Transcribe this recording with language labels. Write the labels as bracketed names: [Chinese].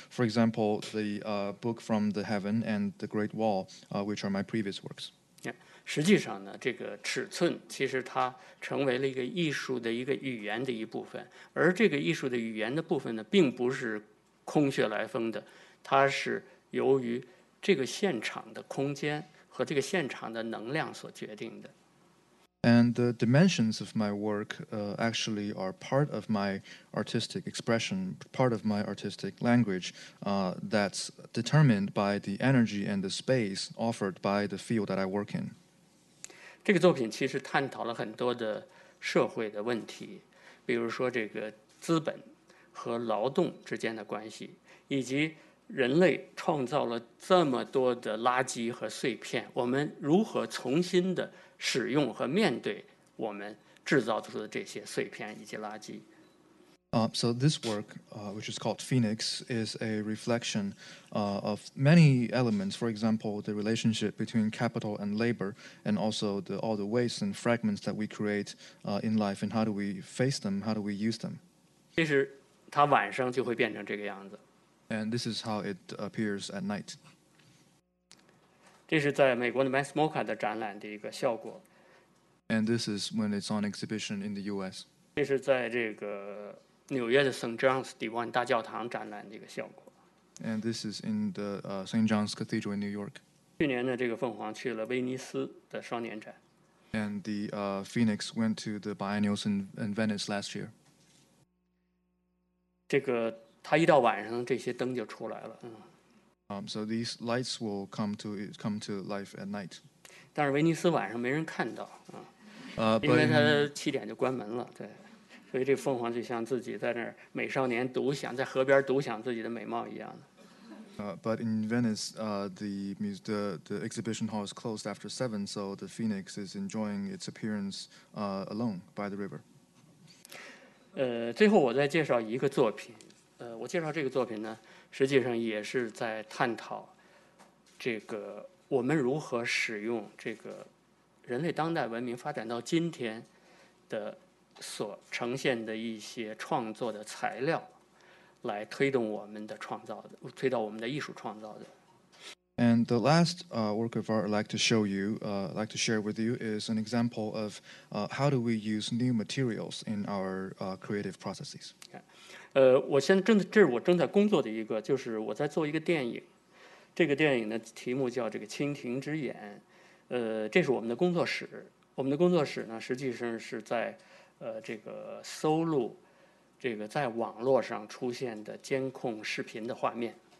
[English] For example, the book from the heaven and the Great Wall, which are my previous works. [Chinese] Yeah, 实际上呢，这个尺寸其实它成为了一个艺术的一个语言的一部分，而这个艺术的语言的部分呢，并不是空穴来风的，它是由于这个现场的空间和这个现场的能量所决定的。 [English] And the dimensions of my work actually are part of my artistic expression, part of my artistic language that's determined by the energy and the space offered by the field that I work in. [Chinese] 这个作品其实探讨了很多的社会的问题，比如说这个资本和劳动之间的关系，以及人类创造了这么多的垃圾和碎片，我们如何重新的使用和面对我们制造出的这些碎片以及垃圾。 [English] So this work, which is called Phoenix, is a reflection of many elements. For example, the relationship between capital and labor, and also all the waste and fragments that we create in life, and how do we face them, how do we use them. [Chinese] 其实它晚上就会变成这个样子。 [English] And this is how it appears at night. [Chinese] 这是在美国的 Max Mocha 的展览的一个效果。 [English] And this is when it's on exhibition in the U.S. [Chinese] 这是在这个纽约的 St. John's Divine 大教堂展览的一个效果。 [English] And this is in the St. John's Cathedral in New York. [Chinese] 去年的这个凤凰去了威尼斯的双年展。 [English] And the Phoenix went to the biennials in Venice last year. [Chinese] 这个它一到晚上，这些灯就出来了。 [English] So these lights will come to life at night. [Chinese] 但是威尼斯晚上没人看到，因为它七点就关门了，对。所以这凤凰就像自己在那儿美少年独享，在河边独享自己的美貌一样的。 [English] But in Venice, the exhibition hall is closed after 7, so the phoenix is enjoying its appearance alone by the river. [Chinese] 最后我再介绍一个作品。我介绍这个作品呢，实际上也是在探讨这个我们如何使用这个人类当代文明发展到今天的所呈现的一些创作的材料来推动我们的创造的，推到我们的艺术创造的。 [English] And the last work of art I'd like to show you, like to share with you, is an example of how do we use new materials in our creative processes. Yeah. [Chinese] 我现在这是我正在工作的一个，就是我在做一个电影，这个电影的题目叫这个《蜻蜓之眼》。这是我们的工作室，我们的工作室呢，实际上是在这个搜录这个在网络上出现的监控视频的画面。